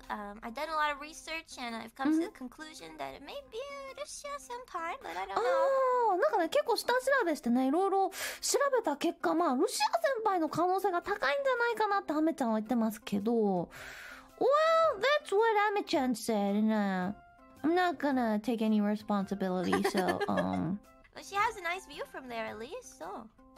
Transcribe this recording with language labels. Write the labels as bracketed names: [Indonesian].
[English] I've done a lot of research and I've come to the conclusion that it may be Rushia Senpai, but I don't know. [Japanese] なんかね、結構下調べしてね、いろいろ調べた結果、まあ、Rushia Senpai の可能性が高いんじゃないかなってアメちゃんは言ってますけど。 [English] Well, that's what Ame-chan said, I'm not gonna take any responsibility, so, But she has a nice view from there, at least, so...